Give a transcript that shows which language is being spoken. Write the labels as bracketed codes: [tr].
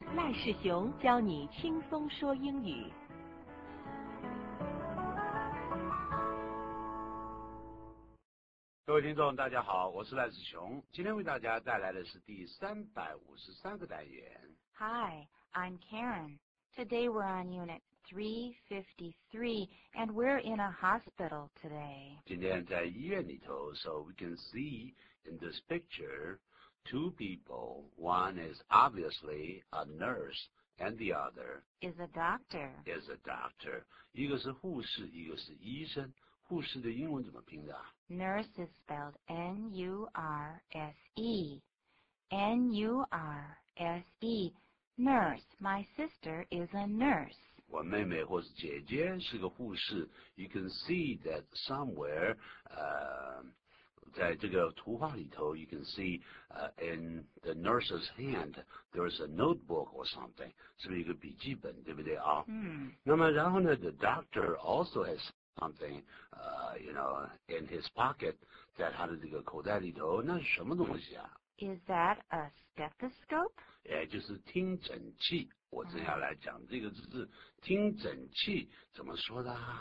[zh] 赖世雄教你轻松说英语。各位听众大家好，我是赖世雄，今天为大家带来的是第353个单元。 [en] Hi, I'm Karen. Today we're on unit 353 and we're in a hospital today. [zh] 今天在医院里头， [en] so we can see in this picture two people. One is obviously a nurse and the other is a doctor. Is a doctor. [zh] 一个是护士，一个是医生。护士的英文怎么拼的？ [en] Nurse is spelled N-U-R-S-E. N-U-R-S-E. Nurse. My sister is a nurse. [zh] 我妹妹或是姐姐是个护士。 [en] You can see that somewhere, [zh] 在这个图画里头 [en] you can see, in the nurse's hand, there is a notebook or something. [zh] 是不是一个笔记本，对不对啊？那么然后呢 [en] the doctor also has something, you know, in his pocket, [zh] 在他的这个口袋里头，那是什么东西啊？ [en] Is that a stethoscope? [zh] 哎，就是听诊器。我正要来讲这个字，听诊器怎么说的？